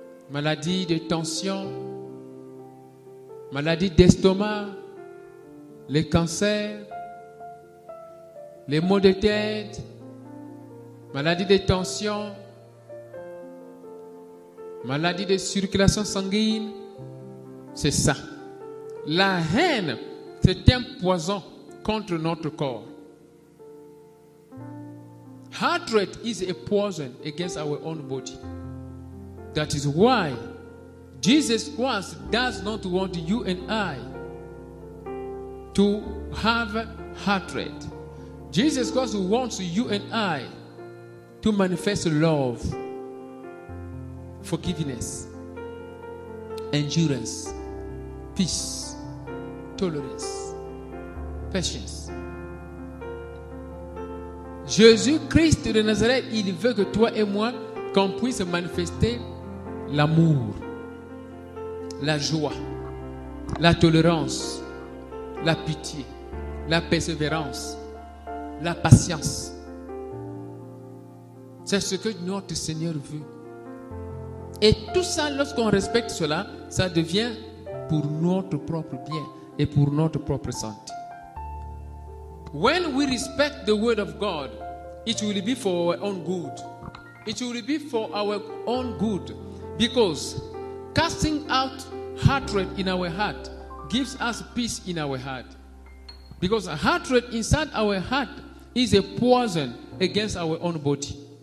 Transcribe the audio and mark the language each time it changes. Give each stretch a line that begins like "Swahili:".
French: Maladies de tension, maladies d'estomac, les cancers, les maux de tête, maladies de tension, maladies de circulation sanguine. C'est ça. La haine, c'est un poison contre notre corps.
English: Hatred is a poison against our own body. That is why Jesus Christ does not want you and I to have hatred. Jesus Christ wants you and I to manifest love, forgiveness, endurance, peace, tolerance, patience.
French: Jésus Christ de Nazareth, il veut que toi et moi, qu'on puisse manifester l'amour, la joie, la tolérance, la pitié, la persévérance, la patience. C'est ce que notre Seigneur veut. Et tout ça, lorsqu'on respecte cela, ça devient pour notre propre bien et pour notre propre santé.
English: When we respect the word of God, it will be for our own good. It will be for our own good. Because casting out hatred in our heart gives us peace in our heart. Because hatred inside our heart is a poison against our own body.